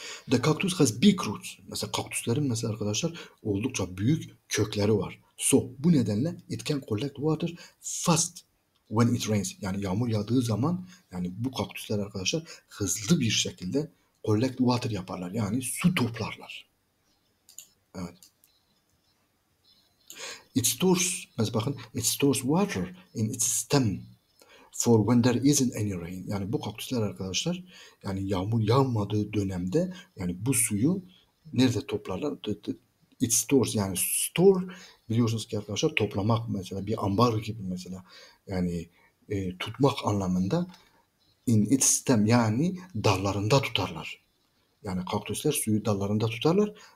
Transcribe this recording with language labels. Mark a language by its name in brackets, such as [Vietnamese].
[English] The cactus has big roots. [Turkish] Mesela kaktüslerin mesela arkadaşlar oldukça büyük kökleri var. [English] So [Turkish] bu nedenle [English] it can collect water fast when it rains. [Turkish] Yani yağmur yağdığı zaman yani bu kaktüsler arkadaşlar hızlı bir şekilde [English] collect water [Turkish] yaparlar. Yani su toplarlar. Evet. [English] It stores, [Turkish] mesela bakın, [English] it stores water in its stem for when there isn't any rain. [Turkish] Yani bu kaktüsler arkadaşlar, yani yağmur yağmadığı dönemde, yani bu suyu nerede toplarlar? [English] It stores, [Turkish] yani store, biliyorsunuz ki arkadaşlar, toplamak mesela bir ambar gibi mesela, yani tutmak anlamında. [English] In its stem, [Turkish] yani dallarında tutarlar. Yani kaktüsler suyu dallarında tutarlar.